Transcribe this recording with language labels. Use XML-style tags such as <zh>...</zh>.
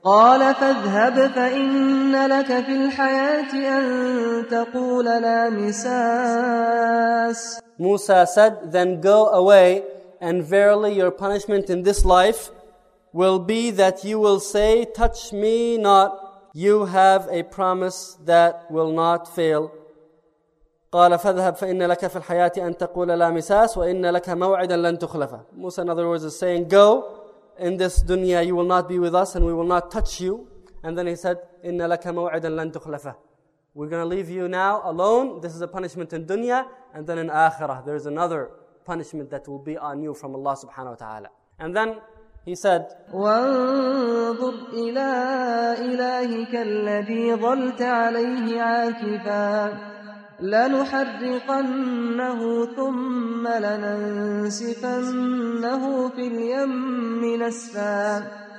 <ar>قَالَ فَاذْهَبْ فَإِنَّ لَكَ فِي الْحَيَاةِ أَن تَقُولَ لَا مِسَاسِ.</ar> <en>Musa said, then go away and verily your punishment in this life will be that you will say, touch me not, you have a promise that will not fail.</en> <ar>قال فذهب فإن لك في الحياة أن تقول لا مساس وإن لك موعدا لن تخلفه.</ar> <en>Musa, in other words, is saying, go, in this dunya you will not be with us and we will not touch you. And then he said,</en> <ar>إن لك موعدا لن تخلفه.</ar> <en>We're going to leave you now alone. This is a punishment in dunya. And then in akhirah, there is another punishment that will be on you from Allah subhanahu wa ta'ala. And then he said,</en> <ar>وَانْظُرْ إِلَىٰ إِلَٰهِكَ الَّذِي ظَلْتَ عَلَيْهِ عَاكِفًا لَنُحَرِّقَنَّهُ ثُمَّ لَنَنْسِفَنَّهُ فِي الْيَمِّ نَسْفًا.</ar>